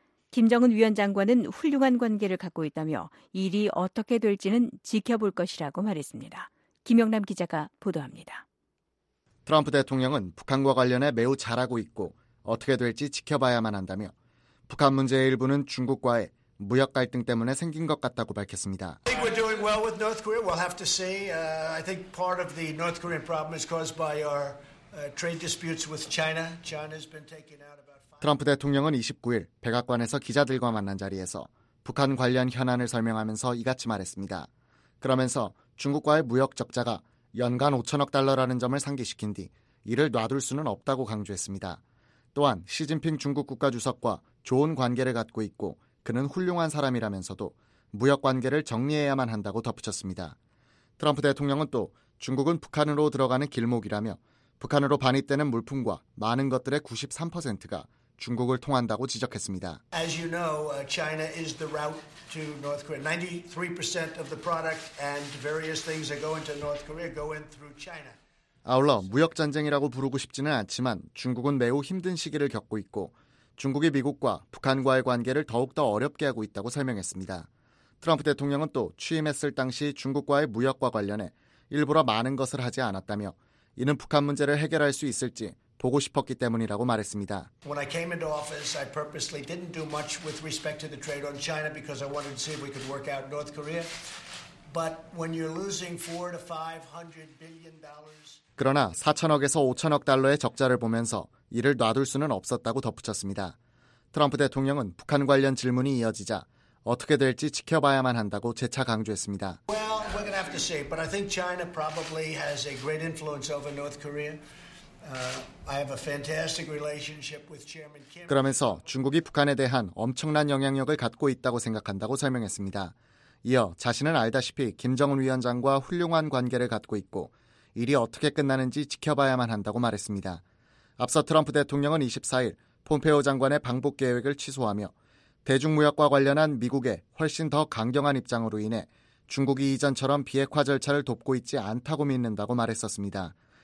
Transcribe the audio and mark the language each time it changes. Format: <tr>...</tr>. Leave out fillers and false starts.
<ko>김정은 위원장과는 훌륭한 관계를 갖고 있다며 일이 어떻게 될지는 지켜볼 것이라고 말했습니다. 김영남 기자가 보도합니다. 트럼프 대통령은 북한과 관련해 매우 잘하고 있고 어떻게 될지 지켜봐야만 한다며 북한 문제의 일부는 중국과의 무역 갈등 때문에 생긴 것 같다고 밝혔습니다.</ko> <en>I think we're doing well with North Korea. We'll have to see. I think part of the North Korean problem is caused by our trade disputes with China. China's been taking out about 5...</en> <ko>트럼프 대통령은 29일 백악관에서 기자들과 만난 자리에서 북한 관련 현안을 설명하면서 이같이 말했습니다. 그러면서 중국과의 무역 적자가 연간 5천억 달러라는 점을 상기시킨 뒤 이를 놔둘 수는 없다고 강조했습니다. 또한 시진핑 중국 국가주석과 좋은 관계를 갖고 있고 그는 훌륭한 사람이라면서도 무역 관계를 정리해야만 한다고 덧붙였습니다. 트럼프 대통령은 또 중국은 북한으로 들어가는 길목이라며 북한으로 반입되는 물품과 많은 것들의 93%가 중국을 통한다고 지적했습니다.</ko> <en>As you know, China is the route to North Korea. 93% of the product and various things that go into North Korea go in through China.</en> <ko>아울러 무역 전쟁이라고 부르고 싶지는 않지만 중국은 매우 힘든 시기를 겪고 있고 중국이 미국과 북한과의 관계를 더욱더 어렵게 하고 있다고 설명했습니다. 트럼프 대통령은 또 취임했을 당시 중국과의 무역과 관련해 일부러 많은 것을 하지 않았다며 이는 북한 문제를 해결할 수 있을지 보고 싶었기 때문이라고 말했습니다.</ko> <en>When I came into office, I purposely didn't do much with respect to the trade on China because I wanted to see if we could work out North Korea. But when you're losing $400 to $500 billion,</en> <ko>그러나 4천억에서 5천억 달러의 적자를 보면서 이를 놔둘 수는 없었다고 덧붙였습니다. 트럼프 대통령은 북한 관련 질문이 이어지자 어떻게 될지 지켜봐야만 한다고 재차 강조했습니다.</ko> <en>Well, we're going to have to see, but I think China probably has a great influence over North Korea. I have a fantastic relationship with Chairman Kim.</en> <ko>그러면서 중국이 북한에 대한 엄청난 영향력을 갖고 있다고 생각한다고 설명했습니다. 이어 자신은 알다시피 김정은 위원장과 훌륭한 관계를 갖고 있고 일이 어떻게 끝나는지 지켜봐야만 한다고 말했습니다. 앞서 트럼프 대통령은 24일 폼페이오 장관의 방북 계획을 취소하며 대중무역과 관련한 미국의 훨씬 더 강경한 입장으로 인해 중국이 이전처럼 비핵화 절차를 돕고 있지 않다고 믿는다고 말했었습니다.</ko>